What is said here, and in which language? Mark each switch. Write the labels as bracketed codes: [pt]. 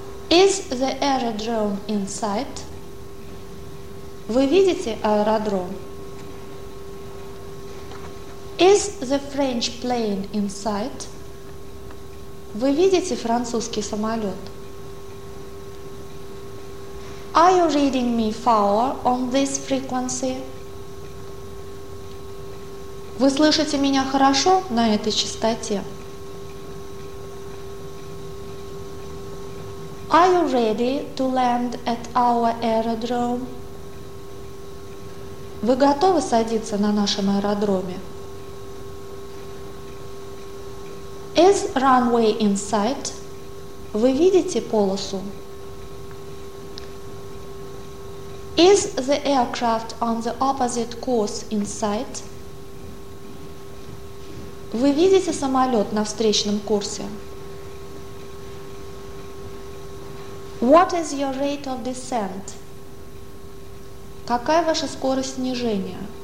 [en] Is the aerodrome in sight? [ru] Вы видите аэродром? [en] Is the French plane in sight? [ru] Вы видите французский самолет? [en] Are you reading me far on this frequency? [ru] Вы слышите меня хорошо на этой частоте? [en] Are you ready to land at our aerodrome? [ru] Вы готовы садиться на нашем аэродроме? [en] Is runway in sight? [ru] Вы видите полосу? [en] Is the aircraft on the opposite course in sight? [ru] Вы видите самолет на встречном курсе? [en] What is your rate of descent? [ru] Какая ваша скорость снижения?